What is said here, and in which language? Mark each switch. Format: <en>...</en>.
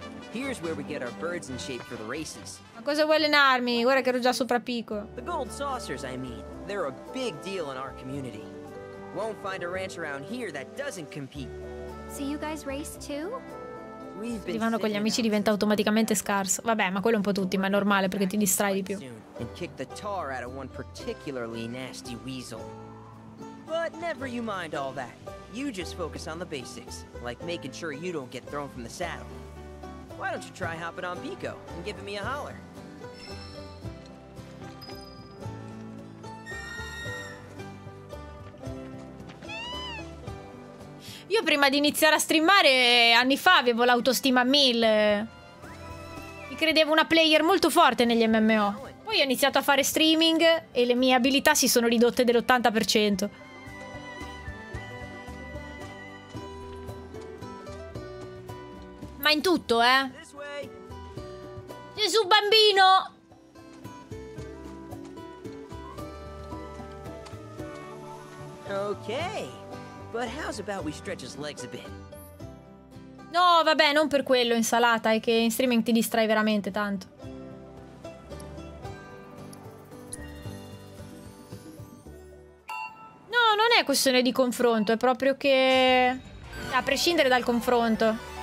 <en>Here's where we get our birds in shape for the races.</en> <it>Ma cosa vuoi allenarmi? Guarda che ero già sopra picco.</it> <en>The gold saucers, I mean. They're a big deal in our community. Won't find a ranch around here that doesn't compete. So you guys race too?</en> <it>Divano con gli amici diventa automaticamente scarso. Vabbè, ma quello è un po' tutti, ma è normale perché ti distrai di più.</it> <en>But never you mind all that. You just focus on the basics, like making sure you don't get thrown from the saddle. Why don't you try hopping on Pico and giving me a holler?</en> <it>Io prima di iniziare a streamare, anni fa, avevo l'autostima a 1000. Mi credevo una player molto forte negli MMO. Poi ho iniziato a fare streaming e le mie abilità si sono ridotte dell'80%. Ma in tutto, eh? Gesù bambino! Ok.</it> <en>But how's about we stretch his legs a bit?</en> <it>No, vabbè, non per quello, insalata, è che in streaming ti distrai veramente tanto. No, non è questione di confronto, è proprio che a prescindere dal confronto.</it>